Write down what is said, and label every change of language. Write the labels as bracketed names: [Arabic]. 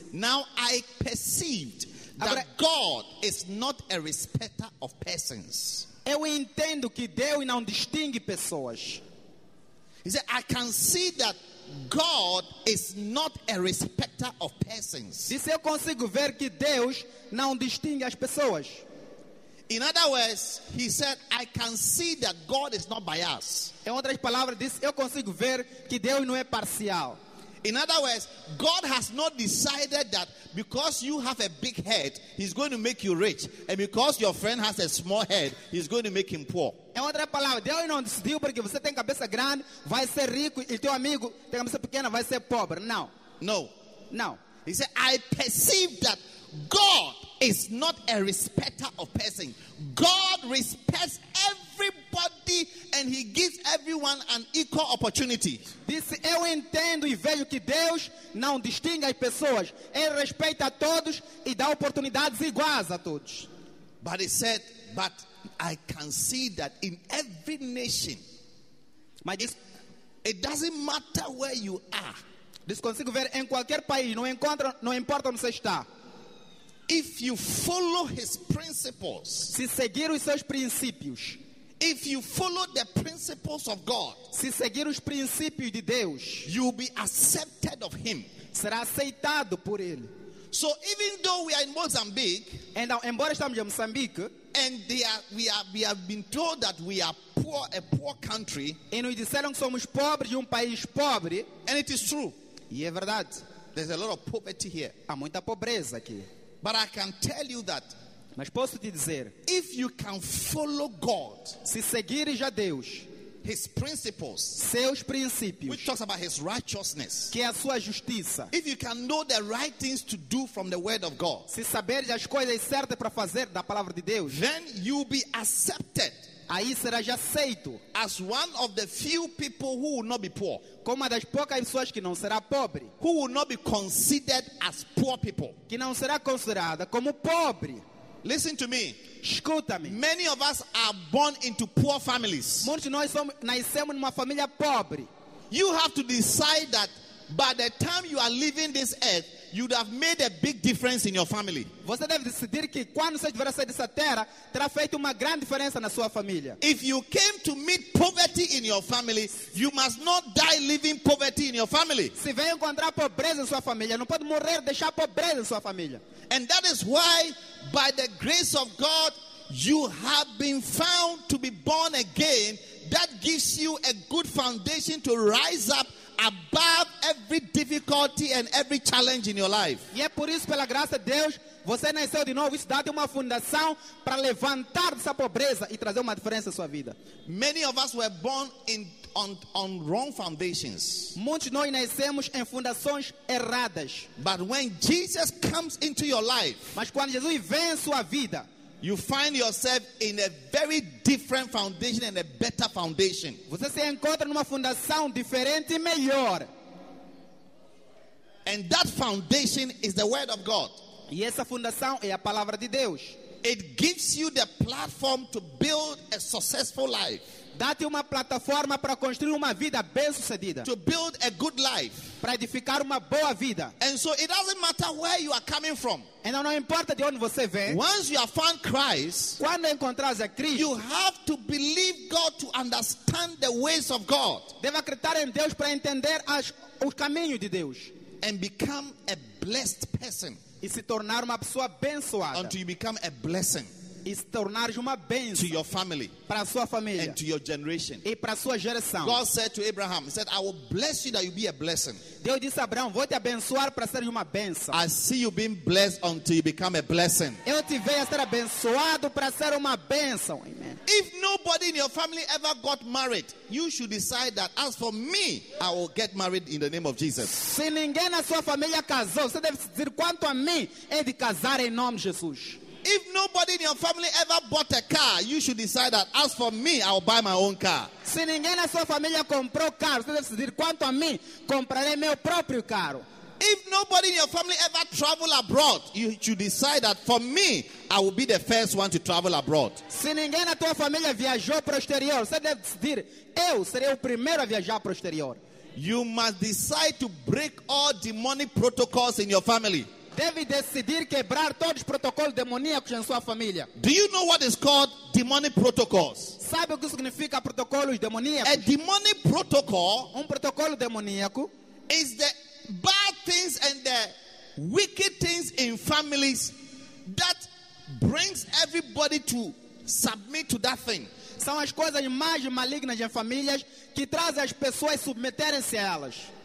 [English] Now I perceived that God is not a respecter of persons. [Portuguese] Eu entendo que Deus não distingue pessoas. [English] He said, I can see that God is not a respecter of persons. [Portuguese] Disse, eu consigo ver que Deus não distingue as pessoas. [English] In other words, he said, I can see that God is not biased. [Portuguese] Em outras palavras, disse, eu consigo ver que Deus não é parcial. [English] In other words, God has not decided that because you have a big head, he's going to make you rich. And because your friend has a small head, he's going to make him poor. [Portuguese] Em outra palavra, Deus não decidiu porque você tem cabeça grande, vai ser rico, e teu amigo tem cabeça pequena, vai ser pobre. Não. [English] No. No. He said, I perceive that God is not a respecter of persons. God respects everybody and he gives everyone an equal opportunity. [Portuguese] Disse, eu entendo e vejo que Deus não distingue as pessoas. Ele respeita a todos e dá oportunidades iguais a todos. [English] But he said, but I can see that in every nation, it doesn't matter where you are. [Portuguese] Disse, consigo ver em qualquer país, não encontra, não importa onde você está. [English] If you follow his principles, [Portuguese] se seguir os seus princípios, [English] if you follow the principles of God, [Portuguese] se seguir os princípios de Deus, [English] you'll be accepted of him, [Portuguese] será aceitado por ele. [English] So even though we are in Mozambique, [Portuguese] and embora estamos em Moçambique, [English] and we have been told that we are poor, a poor country, [Portuguese] e nos disseram que somos pobres de um país pobre, [English] and it is true, [Portuguese] e é verdade. [English] There's a lot of poverty here. [Portuguese] Há muita pobreza aqui. [English] But I can tell you that, [Portuguese] mas posso te dizer, [English] if you can follow God, [Portuguese] se seguires a Deus, [English] His principles. [Portuguese] Seus princípios. [English] Which talks about his righteousness. [Portuguese] Que é a sua justiça. [English] If you can know the right things to do from the word of God. [Portuguese] Se saber as coisas certas para fazer da palavra de Deus. [English] Then you'll be accepted. [Portuguese] Aí serás aceito. [English] As one of the few people who will not be poor. [Portuguese] Como uma das poucas pessoas que não será pobre. [English] Who will not be considered as poor people. [Portuguese] Que não será considerada como pobre. [English] Listen to me. [Portuguese] Escuta-me. [English] Many of us are born into poor families. [Portuguese] Muitos de nós somos nascemos numa família pobre. [English] You have to decide that by the time you are leaving this earth, you'd have made a big difference in your family. [Portuguese] Você deve decidir que quando você tiver saído dessa terra, terá feito uma grande diferença na sua família. [English] If you came to meet poverty in your family, you must not die living poverty in your family. [Portuguese] Se vem encontrar pobreza em sua família, não pode morrer deixar pobreza em sua família. [English] And that is why, by the grace of God, you have been found to be born again. That gives you a good foundation to rise up above every difficulty and every challenge in your life. [Portuguese] E é por isso, pela graça de Deus, você nasceu de novo. Isso dá-te uma fundação para levantar dessa pobreza e trazer uma diferença em sua vida. [English] Many of us were born on wrong foundations. [Portuguese] Muitos nós nascemos em fundações erradas. [English] But when Jesus comes into your life, [Portuguese] mas quando Jesus vem em sua vida, [English] you find yourself in a very different foundation and a better foundation. [Portuguese] Você se encontra numa fundação diferente e melhor. [English] And that foundation is the word of God. [Portuguese] E essa fundação é a palavra de Deus. [English] It gives you the platform to build a successful life. [Portuguese] Dá-te uma plataforma para construir uma vida bem-sucedida. [English] To build a good life. [Portuguese] Para edificar uma boa vida. [English] And so it doesn't matter where you are coming from. [Portuguese] Então não importa de onde você vem. [English] Once you have found Christ, [Portuguese] quando encontrares a Cristo, [English] you have to believe God to understand the ways of God. [Portuguese] Deve acreditar em Deus para entender os caminhos de Deus. [English] And become a blessed person. [Portuguese] E se tornar uma pessoa abençoada. [English] Until you become a blessing. [Portuguese] E se tornar uma bênção [English] to your family, [Portuguese] para a sua família, [English] and to your generation. [Portuguese] E para a sua geração. [English] God said to Abraham, he said, I will bless you that you be a blessing. [Portuguese] Deus disse a Abraão, vou te abençoar para ser uma bênção. [English] I see you being blessed until you become a blessing. [Portuguese] Eu te vejo ser abençoado para ser uma bênção. [English] Amen. If nobody in your family ever got married, you should decide that as for me, I will get married in the name of Jesus. [Portuguese] Se ninguém na sua família casou, você deve dizer quanto a mim é de casar em nome de Jesus. [English] If nobody in your family ever bought a car, you should decide that as for me, I'll buy my own car. [Portuguese] Se ninguém na sua família comprou carro, você deve decidir quanto a mim comprarei meu próprio carro. [English] If nobody in your family ever travel abroad, you should decide that for me, I will be the first one to travel abroad. [Portuguese] Se ninguém na tua família viajou para o exterior, você deve decidir eu serei o primeiro a viajar para o exterior. [English] You must decide to break all demonic protocols in your family. [Portuguese] Deve decidir quebrar todos os protocolos demoníacos em sua família. [English] Do you know what is called demonic protocols? [Portuguese] Sabe o que significa protocolos demoníacos? [English] A demonic protocol, [Portuguese] protocolo demoníaco, [English] is the bad things and the wicked things in families that brings everybody to submit to that thing. São as coisas mais malignas em famílias que trazem as pessoas a submeterem-se a elas.